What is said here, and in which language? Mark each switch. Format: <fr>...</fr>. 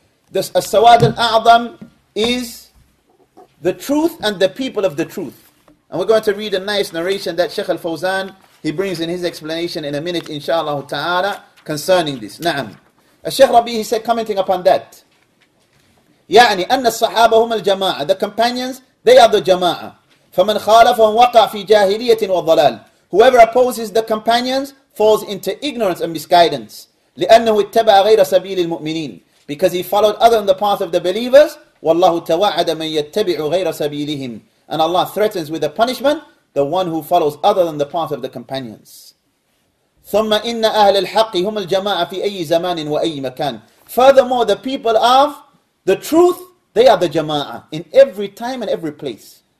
<en>This as-sawad al-a'zam is the truth and the people of the truth. And we're going to read a nice narration that Sheikh Al-Fawzan, he brings in his explanation in a minute, inshallah ta'ala, concerning this. Na'am. Al-Sheikh Rabi, he said, commenting upon that.</en> <ar>يعني أن الصحابة هم الجماعة.</ar> <en>The companions, they are the جماعة.</en> <ar>فمن خالفهم وقع في جاهلية وضلال.</ar> <en>Whoever opposes the companions falls into ignorance and misguidance.</en> <ar>لأنه اتبع غير سبيل المؤمنين.</ar> <en>Because he followed other than the path of the believers.</en> <ar>والله توعد من يتبع غير سبيلهم.</ar> <en>And Allah threatens with a punishment the one who follows other than the path of the companions.</en> <ar>ثُمَّ إِنَّ أَهْلِ الْحَقِّ هُمَ الْجَمَاعَةِ فِي أَيِّ زَمَانٍ وَأَيِّ مَكَانٍ.</ar> <en>Furthermore, the people of the truth, they are the jama'ah in every time and every place.</en>